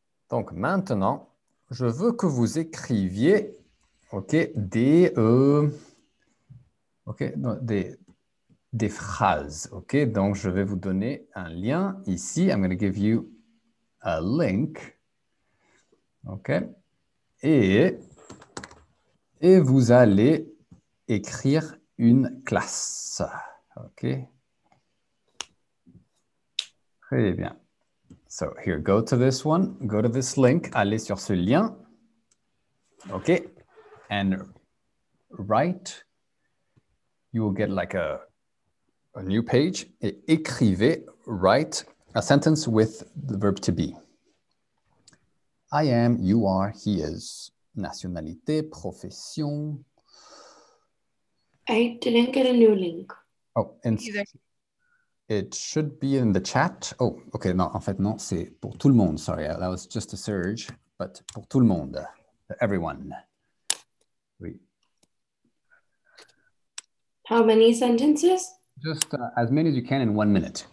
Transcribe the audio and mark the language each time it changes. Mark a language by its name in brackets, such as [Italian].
[French] Donc maintenant, je veux que vous écriviez, OK, des phrases, OK? Donc, je vais vous donner un lien ici. [English] I'm going to give you a link, OK? [French] Et vous allez écrire une classe, OK? Très bien. [English] So, here, go to this one, go to this link, [French] allez sur ce lien, [English] OK? And write, you will get like a new page, [French] et écrivez, [English] write a sentence with the verb to be. I am, you are, he is. [French] Nationalité, profession. [English] I didn't get a new link. Oh, and it should be in the chat. Oh, okay, no, [French] en fait, non, c'est pour tout le monde. [English] Sorry, that was just a surge, but [French] pour tout le monde, [English] everyone. [French] Oui. [English] How many sentences? Just as many as you can in 1 minute.